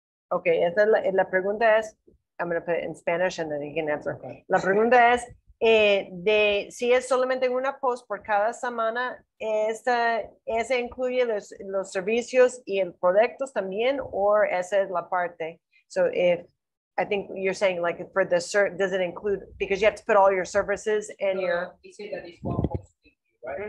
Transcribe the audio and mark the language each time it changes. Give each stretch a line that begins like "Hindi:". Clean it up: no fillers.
English: okay,
Spanish: la pregunta es,
English: I'm going to put it in Spanish and then you can answer. Okay.
Spanish: La pregunta es, si es solamente una post por cada semana, ¿ese incluye los servicios y el productos también, or esa es la parte?
English: So if, I think you're saying like for the, does it include, because you have to put all your services in your... You say that it's one post a week, right?